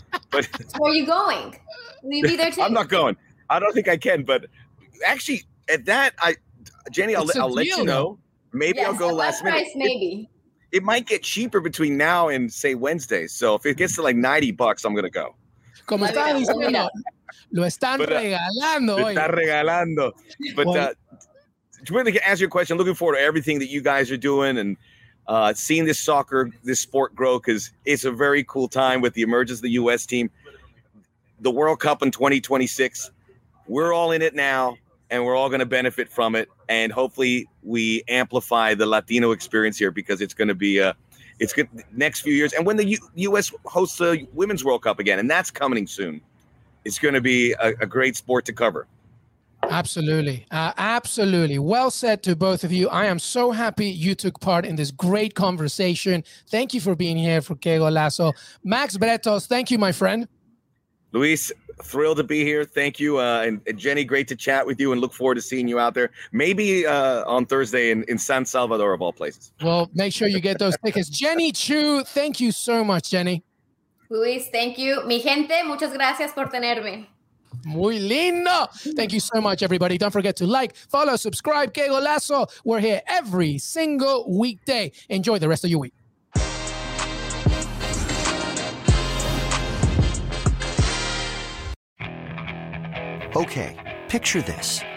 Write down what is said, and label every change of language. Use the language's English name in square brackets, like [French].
[English] But where are you going? Will you be there too? I'm not going. I don't think I can. But actually, at that, Jenny, I'll let you know. Maybe I'll go last price, minute. Maybe. It might get cheaper between now and, say, Wednesday. So if it gets to like $90, I'm going to go. [Spanish] Como está diciendo, lo están regalando hoy. Está regalando. [English] But to really answer your question, looking forward to everything that you guys are doing and seeing this soccer, this sport grow, because it's a very cool time with the emergence of the U.S. team. The World Cup in 2026, we're all in it now. And we're all going to benefit from it. And hopefully we amplify the Latino experience here because it's going to be it's good next few years. And when the U.S. hosts the Women's World Cup again, and that's coming soon, it's going to be a great sport to cover. Absolutely. Absolutely. Well said to both of you. I am so happy you took part in this great conversation. Thank you for being here for Qué Golazo. Max Bretos, thank you, my friend. Luis, thrilled to be here. Thank you. And Jenny, great to chat with you and look forward to seeing you out there. Maybe on Thursday in San Salvador, of all places. Well, make sure you get those tickets. Jenny Chu, thank you so much, Jenny. Luis, thank you. [Spanish] Mi gente, muchas gracias por tenerme. Muy lindo. [English] Thank you so much, everybody. Don't forget to like, follow, subscribe. Qué Golazo. We're here every single weekday. Enjoy the rest of your week. Okay, picture this.